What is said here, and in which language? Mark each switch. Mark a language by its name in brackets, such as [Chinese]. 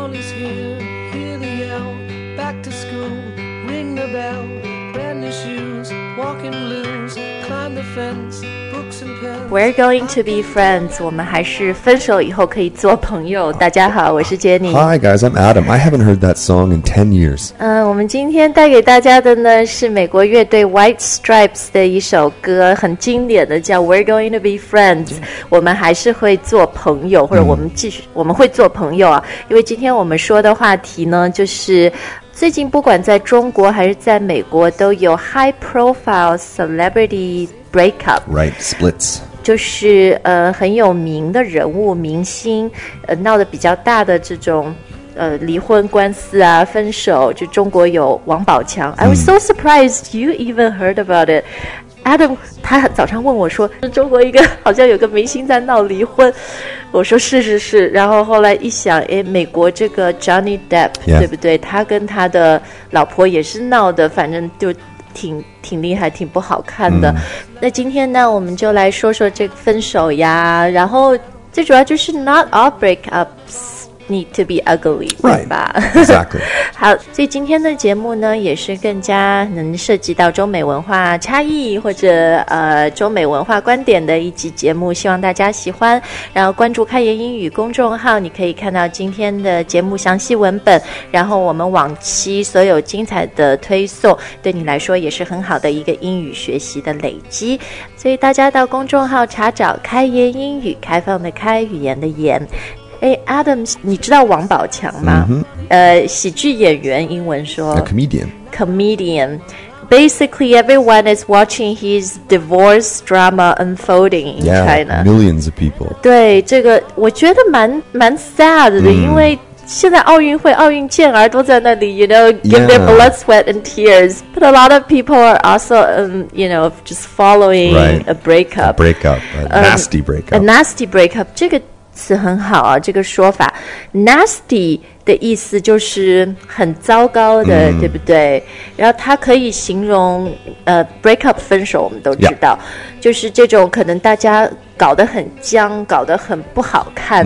[English] cheer, hear the yell, back to school, ring the bell, brand new shoes, walking blues, climb the fence, books and pens. We're going to be friends. [Chinese] 我们还是分手以后可以做朋友。大家好，我是 Jenny。 [English] Hi guys, I'm Adam. I haven't heard that song in 10 years. [Chinese] 我们今天带给大家的呢是美国乐队 White Stripes 的一首歌，很经典的，叫 We're going to be friends.、Yeah. 我们还是会做朋友，或者我们继续、mm. 我们会做朋友啊，因为今天我们说的话题呢就是最近不管在中国还是在美国都有 high profile celebrity breakup. [English] Right, splits. [Chinese] 就是很有名的人物明星闹得比较大的这种离婚官司啊分手，就中国有王宝强。 [English] Mm. I was so surprised you even heard about it. [Chinese] Adam 他早上问我说中国一个好像有个明星在闹离婚，我说是是是，然后后来一想美国这个 Johnny Depp、 [English] yeah. [Chinese] 对不对，他跟他的老婆也是闹的，反正就挺厉害挺不好看的、mm. 那今天呢我们就来说说这个分手呀，然后最主要就是 not all breakupsneed to be ugly, [English] right? Exactly. [Chinese] 好，所以今天的节目呢，也是更加能涉及到中美文化差异或者中美文化观点的一集节目，希望大家喜欢。然后关注开言英语公众号，你可以看到今天的节目详细文本，然后我们往期所有精彩的推送，对你来说也是很好的一个英语学习的累积。所以大家到公众号查找开言英语，开放的开，语言的言。哎 ，Adam， 你知道王宝强吗？ [English] Mm-hmm. [Chinese] 喜剧演员，英文说 [English] A comedian. Comedian. Basically, everyone is watching his divorce drama unfolding in yeah, China. Millions of people. [Chinese] 对这个，我觉得蛮 sad 的， mm. 因为现在奥运会，奥运健儿都在那里 ， you know, give、 [English] yeah. their blood, sweat, and tears. But a lot of people are also, you know, just following、 right. a breakup. A breakup, a nasty breakup. A nasty breakup. 这个。 [Chinese] 是很好啊，这个说法 nasty 的意思就是很糟糕的、mm. 对不对，然后它可以形容break up 分手，我们都知道、 [English] yeah. [Chinese] 就是这种可能大家搞得很僵，搞得很不好看、